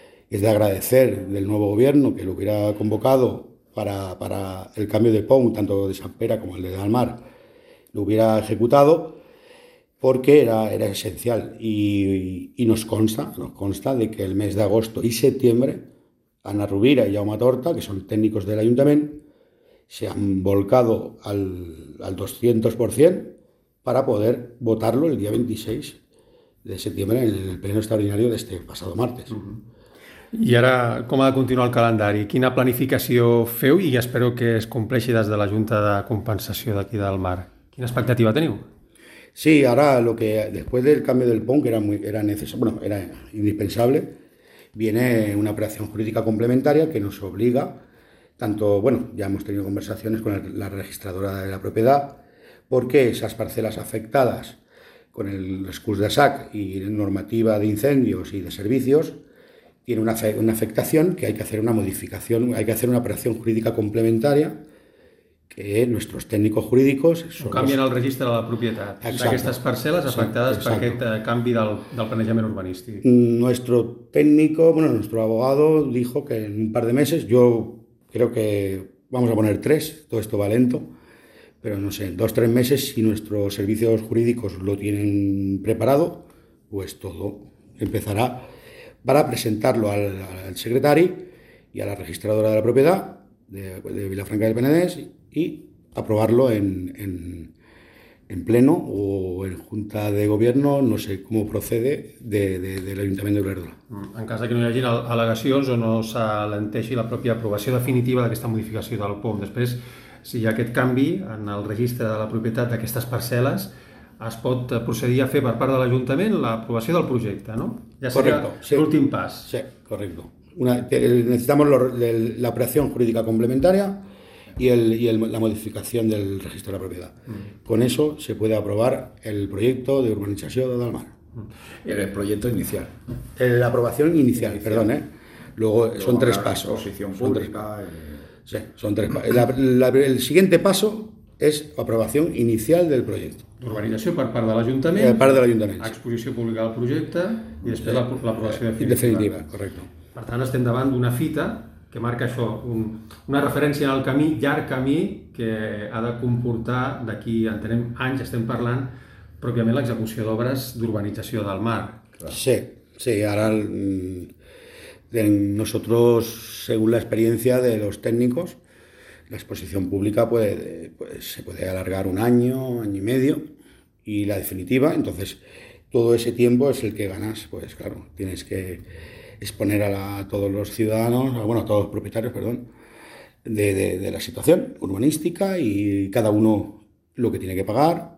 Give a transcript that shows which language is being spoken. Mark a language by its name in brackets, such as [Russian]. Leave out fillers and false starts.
[Spanish] de agradecer del nuevo gobierno, que lo hubiera convocado para el cambio de POM, tanto de San Pera como el de Dalmar, lo hubiera ejecutado, porque era esencial, y nos consta de que el mes de agosto y septiembre Ana Rovira y Jaume Torta, que son técnicos del ayuntamiento, se han volcado al 200% para poder votarlo el día 26 de septiembre en el pleno extraordinario de este pasado martes. [Catalan] I ara, com ha de continuar el calendari? Quina planificació feu? I espero que es compleixi des de la Junta de Compensació d'aquí del Mar. Quina expectativa teniu? [Spanish] Sí, ahora lo que después del cambio del POM, que era necesario, bueno, era indispensable, viene una operación jurídica complementaria que nos obliga, tanto, bueno, ya hemos tenido conversaciones con la registradora de la propiedad, porque esas parcelas afectadas con el recurso de SAC y normativa de incendios y de servicios tiene una afectación que hay que hacer una modificación, hay que hacer una operación jurídica complementaria. Que nuestros técnicos jurídicos [Catalan] canvien el registre de la propietat d'aquestes parcel·les afectades, sí, per aquest canvi del planejament urbanístic. [Spanish] Nuestro técnico, bueno, nuestro abogado dijo que en un par de meses, yo creo que vamos a poner tres, todo esto va lento, pero no sé, en dos o tres meses, si nuestros servicios jurídicos lo tienen preparado, pues todo empezará para presentarlo al secretario y a la registradora de la propiedad de Vilafranca del Penedès, y aprobarlo en en pleno o en junta de gobierno, no sé cómo procede, de l'Ajuntament d'Olèrdola. [Catalan] En cas que no hi hagi al·legacions o no s'alenteixi la pròpia aprovació definitiva d'aquesta modificació del POM, després, si hi ha aquest canvi en el registre de la propietat d'aquestes parcel·les, es pot procedir a fer per part de l'Ajuntament l'aprovació del projecte, no? Ja seria l'últim pas. [Spanish] Sí, correcto. Necesitamos la operación jurídica complementaria y la modificación del registro de la propiedad. Con eso se puede aprobar el proyecto de urbanización de Dalmar. El proyecto inicial. La aprobación inicial, perdón. Luego son tres pasos. Exposición pública. Sí, son tres pasos. El siguiente paso es aprobación inicial del proyecto. [Catalan] Urbanización per part de l'Ajuntament. Per part de l'Ajuntament. Exposició pública del projecte i després l'aprovació definitiva. [Spanish] Definitiva, correcto. [Catalan] Per tant, estem davant d'una fita que marca això, una referència en el camí, llarg camí, que ha de comportar d'aquí, entenem, anys estem parlant, pròpiament l'execució d'obres d'urbanització del mar. Clar. [Spanish] Sí, ara nosotros, según la experiencia de los técnicos, la exposición pública se puede alargar un año, año y medio, y la definitiva, entonces, todo ese tiempo es el que ganas, pues claro, tienes que exponer a todos los propietarios, de la situación urbanística y cada uno lo que tiene que pagar.